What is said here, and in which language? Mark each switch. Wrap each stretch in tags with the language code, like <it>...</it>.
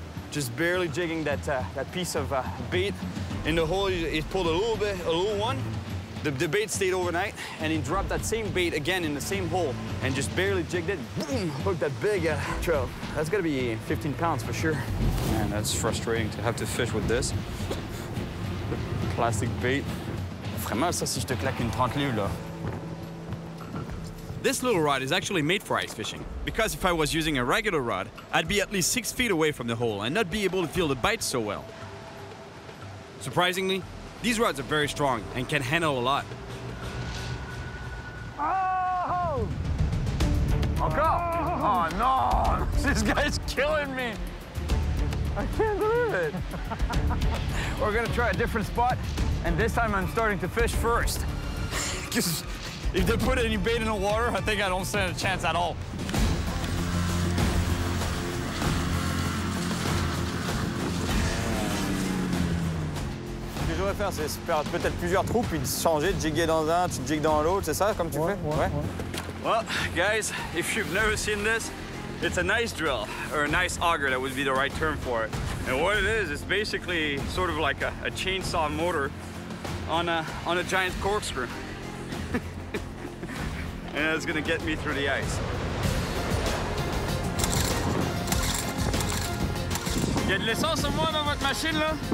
<en>Just barely jigging that piece of bait in the hole, it pulled a little bit, a little one. the bait stayed overnight, and he dropped that same bait again in the same hole and just barely jigged it. Boom! Hooked that big trout. That's gotta be 15 pounds for sure. Man, that's frustrating to have to fish with this. Plastic bait.</en> <fr>Vraiment, ça, si je te claque une 30 livres, là.</fr> <en>This little rod is actually made for ice fishing, because if I was using a regular rod, I'd be at least 6 feet away from the hole and not be able to feel the bite so well. Surprisingly, these rods are very strong and can handle a lot. Oh!</en> <fr>Encore?</fr> <en>Oh, no! This guy's killing me! I can't believe it! We're gonna try a different spot, and this time I'm starting to fish first. If they put any bait in the water, I think I don't stand a chance at all.</en> <fr>Ce que je vais faire, c'est faire peut-être plusieurs trous, puis changer, jigger dans un, tu jigges dans l'autre, c'est ça, comme tu fais? Ouais.</fr> <en>Well, guys, if you've never seen this, it's a nice drill, or a nice auger, that would be the right term for it. And what it is, it's basically sort of like a chainsaw motor on a giant corkscrew. And it's gonna get me through the ice.</en> <fr>Y'a de l'essence au moins dans votre machine là?</fr>